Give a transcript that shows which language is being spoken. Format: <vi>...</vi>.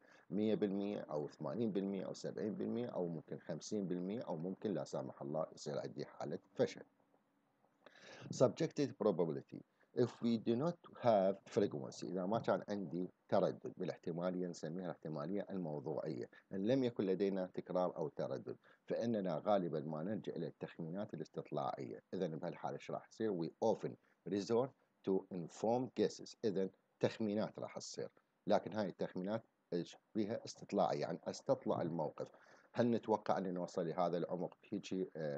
<ar>100% أو 80% أو 70% أو ممكن 50% أو ممكن لا سامح الله يصير عندي حالة فشل.</ar> <en>Subjected probability if we do not have frequency,</en> <ar>إذا ما كان عندي تردد بالاحتمالية نسميها الاحتمالية الموضوعية، إن لم يكن لدينا تكرار أو تردد فإننا غالبا ما نلجأ إلى التخمينات الاستطلاعية. إذا بهالحالة إيش راح يصير؟</ar> <en>We often resort to informed guesses.</en> <ar>إذا تخمينات راح تصير، لكن هاي التخمينات إيش بيها؟ استطلاعية، يعني استطلع الموقف، هل نتوقع أن نوصل لهذا العمق بهيجي</ar>